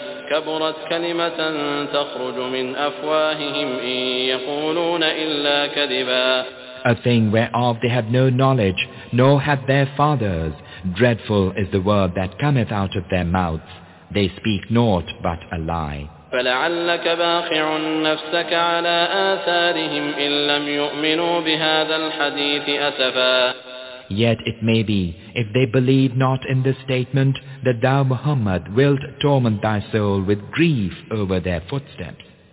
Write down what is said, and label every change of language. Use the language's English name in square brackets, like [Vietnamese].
[Arabic] كبرت كلمة تخرج من أفواههم إن يقولون إلا كذبا. [English] A thing whereof they have no knowledge, nor have their fathers. Dreadful is the word that cometh out of their mouths. They speak naught but a lie. [Arabic] فلعلك باخع نفسك على آثارهم إن لم يؤمنوا بهذا الحديث أسفا. [English] Yet it may be, if they believe not in this statement, that thou, Muhammad, wilt torment thy soul with grief over their footsteps.